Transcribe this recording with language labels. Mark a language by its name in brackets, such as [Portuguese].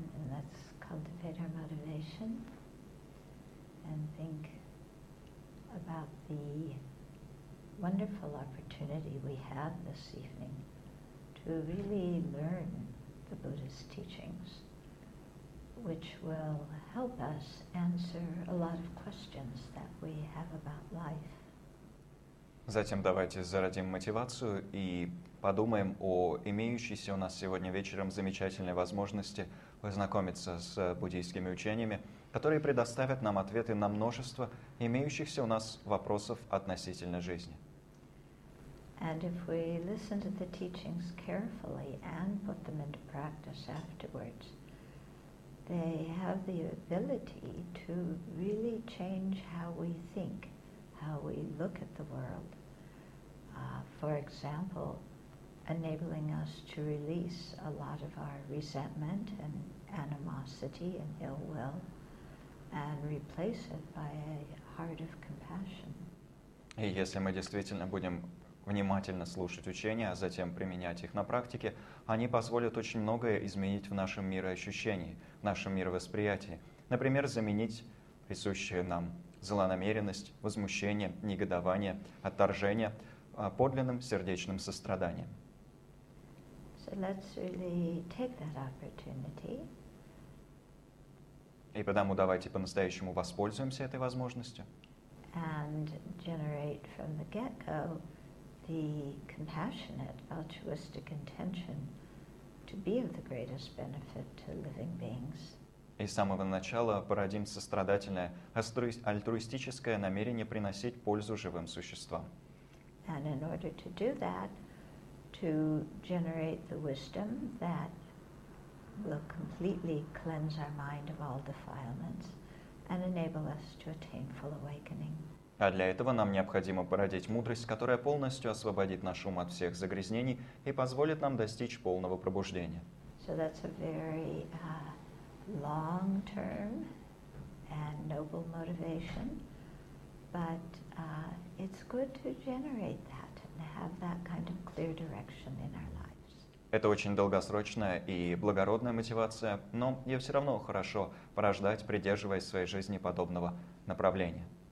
[English] let's cultivate our motivation and think about the wonderful opportunity we have this evening to really learn the Buddha's teachings, which will help us answer a lot of questions that we have about life. [Russian] Затем давайте зародим мотивацию и подумаем о имеющейся у нас сегодня вечером замечательной возможности познакомиться с буддийскими учениями, которые предоставят нам ответы на множество имеющихся у нас вопросов относительно жизни. [English] And if we listen to the teachings carefully and put them into practice afterwards, they have the ability to really change how we think, how we look at the world. For example, enabling us to release a lot of our resentment and animosity and ill will and replace it by a heart of compassion. [Russian] И если мы действительно будем внимательно слушать учения, а затем применять их на практике, они позволят очень многое изменить в нашем мироощущении, в нашем мировосприятии. Например, заменить присущие нам злонамеренность, возмущение, негодование, отторжение подлинным сердечным состраданием. [English] So let's really take that opportunity. [Russian] И потому давайте по-настоящему воспользуемся этой возможностью. [English] And generate from the get-go the compassionate, altruistic intention to be of the greatest benefit to living beings. [Russian] И с самого начала породим сострадательное, альтруистическое намерение приносить пользу живым существам. [English] And in order to do that, to generate the wisdom that will completely cleanse our mind of all defilements and enable us to attain full awakening. [Russian] А для этого нам необходимо породить мудрость, которая полностью освободит наш ум от всех загрязнений и позволит нам достичь полного пробуждения. [English] So that's a very long-term and noble motivation, but it's good to generate that and have that kind of clear direction in our lives. [Russian] Это очень долгосрочная и благородная мотивация, но ее все равно хорошо порождать, придерживаясь своей жизни подобного направления.